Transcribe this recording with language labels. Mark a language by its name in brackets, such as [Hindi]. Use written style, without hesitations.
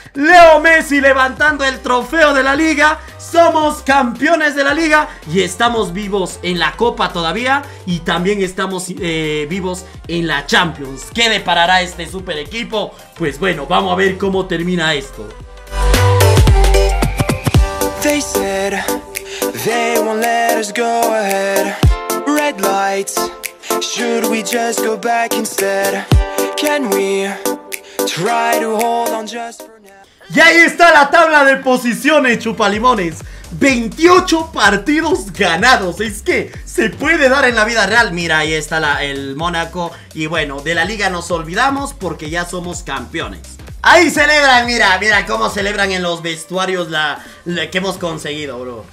[Spanish] Leo Messi levantando el trofeo de la liga. Somos campeones de la liga y estamos vivos en la Copa todavía. Y también estamos vivos en la Champions. ¿Qué deparará este super equipo? Pues bueno, vamos a ver cómo termina esto. [English] They said they won't let us go ahead. Red lights, should we just go back instead? Can we try to hold on just for now? [Spanish] Y ahí está la tabla de posiciones, Chupalimones. 28 partidos ganados. Es que se puede dar en la vida real. Mira, ahí está el Mónaco. Y bueno, de la liga nos olvidamos porque ya somos campeones. Ahí celebran, mira, mira cómo celebran en los vestuarios la que hemos conseguido, bro.